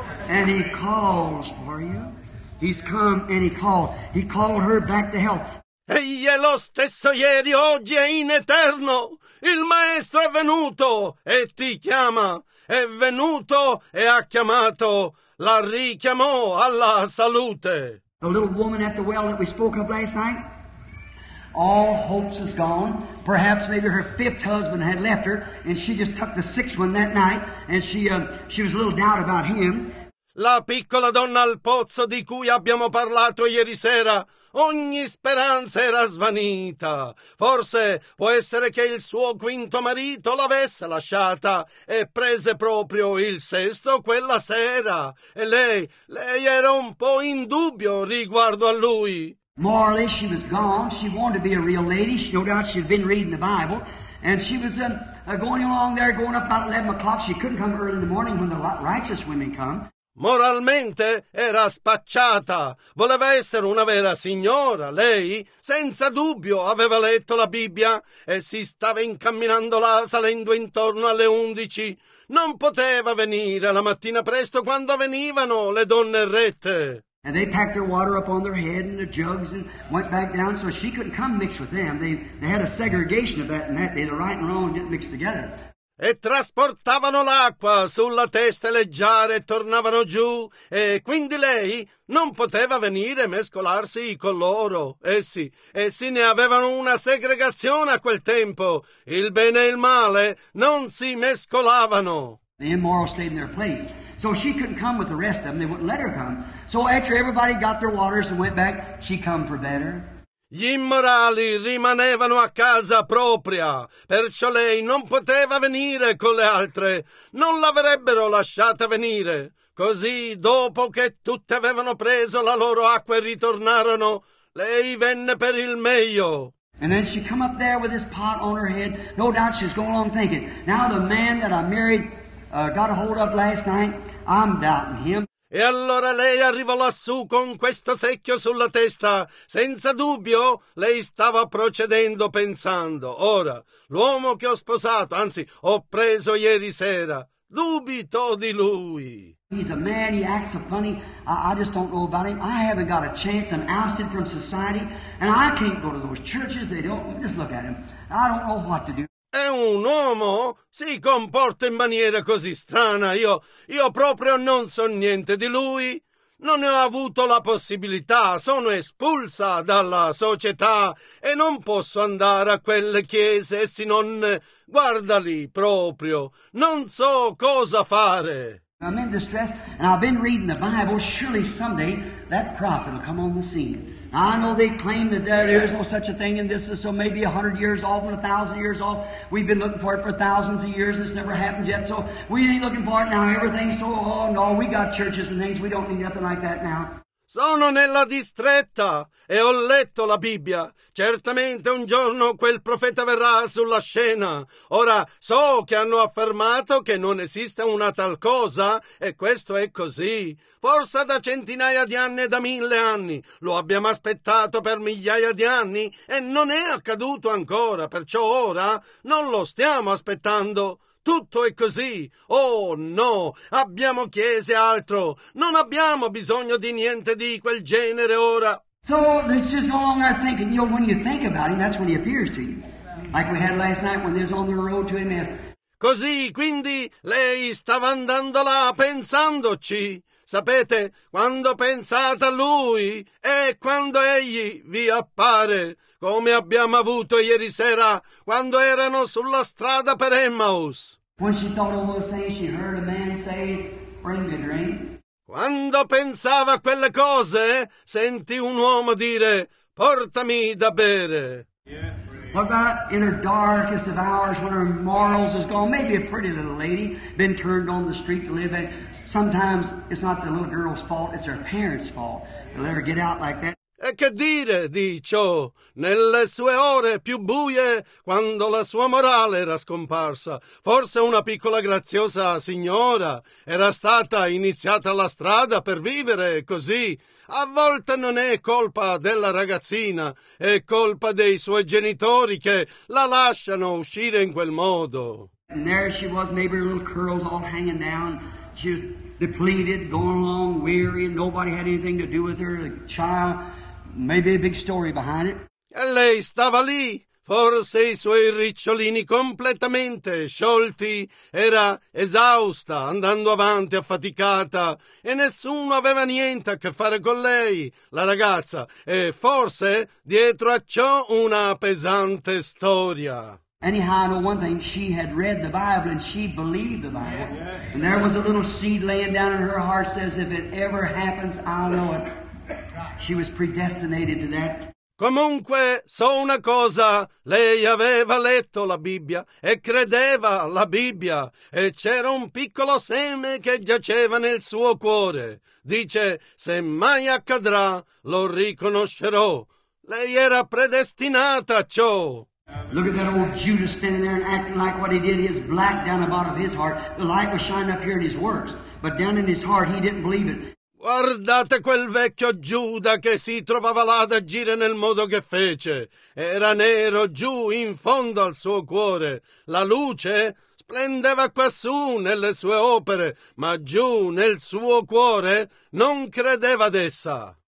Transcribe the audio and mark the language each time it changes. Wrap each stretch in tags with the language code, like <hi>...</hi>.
<en>And he calls for you. He's come and he called. He called her back to health.</en> <it>Egli è lo stesso ieri, oggi e in eterno. Il maestro è venuto e ti chiama. È venuto e ha chiamato. La richiamò alla salute.</it> <en>The little woman at the well that we spoke of last night. All hopes is gone. Perhaps maybe her fifth husband had left her and she just took the sixth one that night and she was a little doubt about him.</en> <it>La piccola donna al pozzo di cui abbiamo parlato ieri sera, ogni speranza era svanita. Forse può essere che il suo quinto marito l'avesse lasciata e prese proprio il sesto quella sera. E lei era un po' in dubbio riguardo a lui.</it> <en>Morally, she was gone. She wanted to be a real lady. She, no doubt she had been reading the Bible. And she was going along there, going up about 11 o'clock. She couldn't come early in the morning when the righteous women come.</en> <it>Moralmente era spacciata, voleva essere una vera signora. Lei, senza dubbio, aveva letto la Bibbia e si stava incamminando là, salendo intorno alle 11. Non poteva venire la mattina presto quando venivano le donne rette.</it> <en>And they packed their water up on their head and their jugs and went back down so she couldn't come mix with them. They had a segregation of that and that day, the right and wrong didn't mix together.</en> <it>E trasportavano l'acqua sulla testa e le giare e tornavano giù e quindi lei non poteva venire a mescolarsi con loro. Essi ne avevano una segregazione a quel tempo. Il bene e il male non si mescolavano.</it> <en>The immoral stayed in their place. So she couldn't come with the rest of them. They wouldn't let her come. So after everybody got their waters and went back, she come for better.</en> <it>Gli immorali rimanevano a casa propria, perciò lei non poteva venire con le altre, non l'avrebbero lasciata venire. Così, dopo che tutte avevano preso la loro acqua e ritornarono, lei venne per il meglio.</it> <en>And then she come up there with this pot on her head, no doubt she's going along thinking, now the man that I married got a hold of last night, I'm doubting him.</en> <it>E allora lei arrivò lassù con questo secchio sulla testa. Senza dubbio, lei stava procedendo pensando. Ora, l'uomo che ho sposato, anzi, ho preso ieri sera, dubito di lui.</it> <en>He's a man, he acts so funny, I just don't know about him. I haven't got a chance, I'm ousted from society, and I can't go to those churches, they don't, just look at him. I don't know what to do.</en> <it>È un uomo? Si comporta in maniera così strana. Io proprio non so niente di lui. Non ne ho avuto la possibilità. Sono espulsa dalla società e non posso andare a quelle chiese. Essi non... Guardali proprio. Non so cosa fare.</it> <en>I'm in distress and I've been reading the Bible. Surely someday that prophet will come on the scene. I know they claim that there is no such a thing and this is so maybe 100 years off and 1,000 years off. We've been looking for it for thousands of years. It's never happened yet. So we ain't looking for it now. Everything's so on. Oh, no, we got churches and things. We don't need nothing like that now.</en> <it>Sono nella distretta e ho letto la Bibbia. Certamente un giorno quel profeta verrà sulla scena. Ora so che hanno affermato che non esiste una tal cosa e questo è così. Forse da centinaia di anni e da 1000 anni. Lo abbiamo aspettato per migliaia di anni e non è accaduto ancora. Perciò ora non lo stiamo aspettando. Tutto è così. Oh no, abbiamo chiese altro. Non abbiamo bisogno di niente di quel genere ora.</it> <en>So let's just go along our thinking. You know, when you think about him, that's when he appears to you. Like we had last night when there's on the road to him.</en> <it>Così, quindi, lei stava andando là pensandoci. Sapete, quando pensate a lui e quando egli vi appare, come abbiamo avuto ieri sera quando erano sulla strada per Emmaus.</it> <en>When she thought of those things, she heard a man say, "Bring me a drink."</en> <it>Quando pensava a quelle cose, sentì un uomo dire, "Portami da bere."</it> <en>What about in her darkest of hours when her morals is gone? Maybe a pretty little lady been turned on the street to live in. Sometimes it's not the little girl's fault, it's her parents' fault. They let her get out like that.</en> <it>E che dire di ciò? Nelle sue ore più buie, quando la sua morale era scomparsa, forse una piccola graziosa signora era stata iniziata la strada per vivere così. A volte non è colpa della ragazzina, è colpa dei suoi genitori che la lasciano uscire in quel modo.</it> <en>And there she was, maybe her little curls all hanging down. She was depleted, going along, weary, and nobody had anything to do with her, the child. Maybe a big story behind it.</en> <it>E lei stava lì, forse i suoi ricciolini completamente sciolti, era esausta, andando avanti affaticata, e nessuno aveva niente a che fare con lei, la ragazza, e forse dietro a ciò una pesante storia.</it> <en>Anyhow, I know one thing, she had read the Bible and she believed the Bible. Yeah. And there was a little seed laying down in her heart, says, if it ever happens, I'll know it. She was predestinated to that.</en> <it>Comunque, so una cosa, lei aveva letto la Bibbia e credeva la Bibbia e c'era un piccolo seme che giaceva nel suo cuore. Dice, se mai accadrà, lo riconoscerò. Lei era predestinata a ciò.</it> <en>Look at that old Judas standing there and acting like what he did. His black down the bottom of his heart. The light was shining up here in his works, but down in his heart he didn't believe it.</en> <it>Guardate quel vecchio Giuda che si trovava là ad agire nel modo che fece. Era nero giù in fondo al suo cuore. La luce splendeva quassù nelle sue opere, ma giù nel suo cuore non credeva ad essa.</it>